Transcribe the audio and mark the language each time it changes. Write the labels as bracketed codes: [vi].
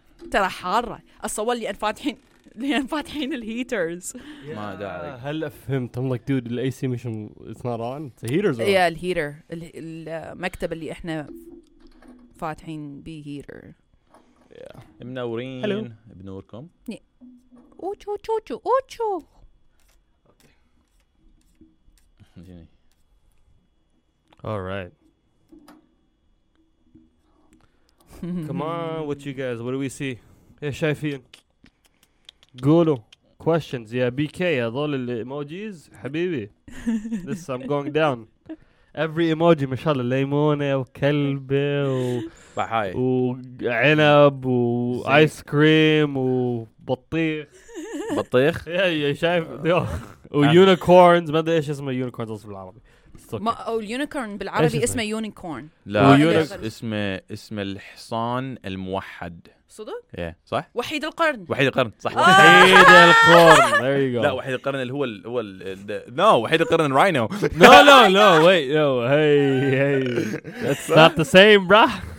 [ar] ترى حارة أصور لي الفاتحين لأن فاتحين الهيترز ما داعي هل فهمت [en] I'm like dude the AC مش it's not on it's the heaters yeah the heater [ar] المكتب اللي احنا فاتحين بي هيتر yeah منورين hello بنوركم اوتشو اوتشو اوتشو اوتشو [en] alright come on what you guys what do we see [ar] ايه شايفين قولوا questions يا بي كي هذول الايموجيز حبيبي لسه [en] I'm going down every emoji [ar] ما شاء الله ليمونه وكلبه بحاي وعنب وايس كريم وبطيخ بطيخ يا شايف ويونيكورنز ما ادري ايش اسمه يونيكورنز بالعربي ما او اليونيكورن بالعربي اسمه يونيكورن لا اسمه الحصان الموحد صدق؟ ايه yeah. صح؟ وحيد القرن وحيد القرن صح وحيد القرن [en] there you go [ar] لا وحيد القرن اللي هو الـ هو الـ no وحيد القرن الراينو [en] no no no wait no hey hey that's not the same bro